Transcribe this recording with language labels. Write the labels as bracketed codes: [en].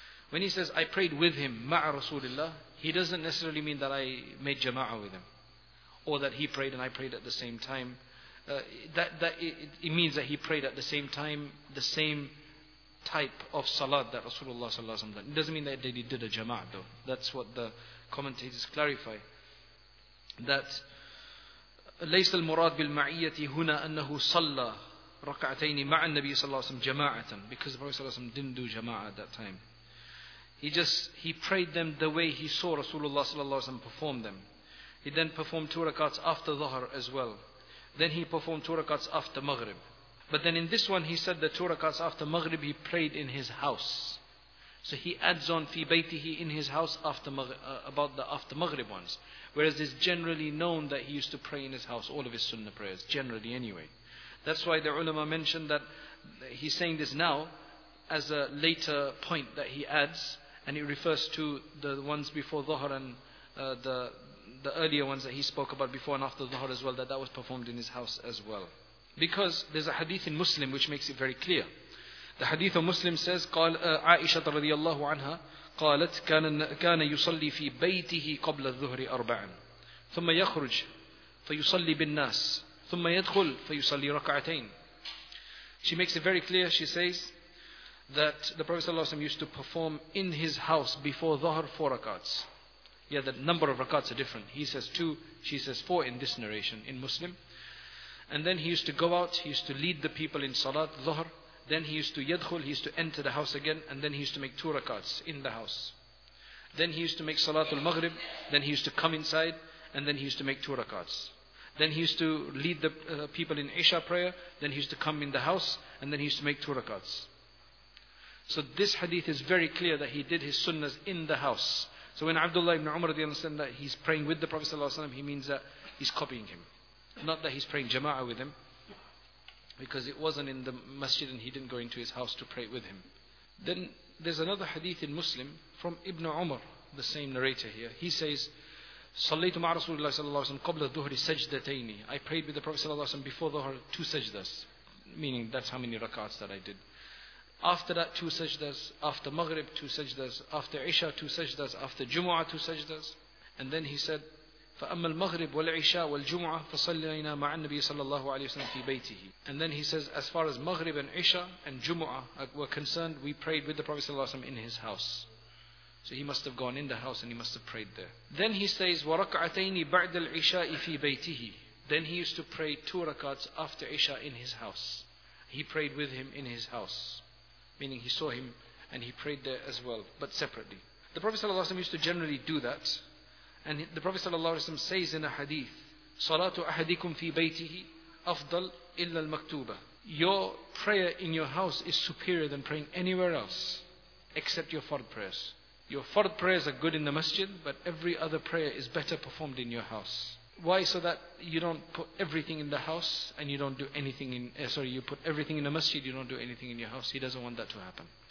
[en] When he says I prayed with him, ma'a Rasulullah, he doesn't necessarily mean that I made jama'ah with him, or that he prayed and I prayed at the same time. It means that he prayed at the same time, the same type of salat that Rasulullah sallallahu alayhi wasallam did. It doesn't mean that he did a jama'ah though. That's what the commentators clarify. That [ar] ليس المراد بالمعية هنا أنه صلى ركعتين مع النبي صلى الله عليه وسلم جماعة, [en] because the Prophet [ar] صلى الله عليه وسلم [en] didn't do [ar] جماعة [en] at that time. He prayed them the way he saw Rasulullah صلى الله عليه وسلم perform them. He then performed 2 rakats after dhuhr as well. Then he performed 2 rakats after maghrib. But then in this one he said the 2 rakats after maghrib he prayed in his house. So he adds on [ar] في بيته [en] in his house after maghrib ones. Whereas it's generally known that he used to pray in his house all of his sunnah prayers, generally anyway. That's why the ulama mentioned that he's saying this now as a later point that he adds, and it refers to the ones before Dhuhr and the earlier ones that he spoke about before and after Dhuhr as well, that was performed in his house as well. Because there's a hadith in Muslim which makes it very clear. The hadith of Muslim says, Aisha radiallahu anha, [ar] قالت كان يصلي في بيته قبل الظهر أربعا ثم يخرج فيصلي بالناس ثم يدخل فيصلي ركعتين. [en] She makes it very clear, she says, that the Prophet ﷺ used to perform in his house before Dhuhr four rakats. Yeah, the number of rakats are different. He says two, she says four in this narration in Muslim. And then he used to go out, he used to lead the people in Salat, Dhuhr. Then he used to yadkhul, he used to enter the house again, and then he used to make two rakats in the house. Then he used to make Salatul Maghrib, then he used to come inside, and then he used to make two rakats. Then he used to lead the people in Isha prayer, then he used to come in the house, and then he used to make two rakats. So this hadith is very clear that he did his sunnahs in the house. So when Abdullah ibn Umar said that he's praying with the Prophet ﷺ, he means that he's copying him. Not that he's praying jama'ah with him, because it wasn't in the masjid and he didn't go into his house to pray with him. Then there's another hadith in Muslim from Ibn Umar, the same narrator here. He says, [ar] صَلَّيْتُ مَعَ رَسُولِ اللَّهِ صَلَّى اللَّهُ عَلَيْهِ وَسَلَّمْ قَبْلَ الظُّهْرِ سَجْدَتَيْنِ. [en] I prayed with the Prophet ﷺ before Dhuhr two sajdas, meaning that's how many rakats that I did. After that two sajdas, after Maghrib two sajdas, after Isha two sajdas, after Jumu'ah two sajdas. And then he said, [ar] فَأَمَّا الْمَغْرِبُ وَالْعِشَاءُ وَالْجُمُعَةُ فَصَلِّيْنَا مَعَ النَّبِيِّ صَلَّى اللَّهُ عَلَيْهِ وَسَلَّمَ فِي بَيْتِهِ. [en] And then he says, as far as Maghrib and Isha and Jumu'ah were concerned, we prayed with the Prophet ﷺ in his house. So he must have gone in the house and he must have prayed there. Then he says, [ar] وَرَكْعَتَيْنِ بَعْدَ الْعِشَاءِ فِي بَيْتِهِ. [en] Then he used to pray two rakats after Isha in his house. He prayed with him in his house, meaning he saw him and he prayed there as well, but separately. The Prophet ﷺ used to generally do that. And the Prophet ﷺ says in a hadith, [ar] صَلَاتُ أَحَدِكُمْ فِي بَيْتِهِ أَفْضَلْ إِلَّا الْمَكْتُوبَةِ. [en] Your prayer in your house is superior than praying anywhere else, except your fard prayers. Your fard prayers are good in the masjid, but every other prayer is better performed in your house. Why? So that you don't put everything in the house and you don't do anything in... you put everything in the masjid, you don't do anything in your house. He doesn't want that to happen.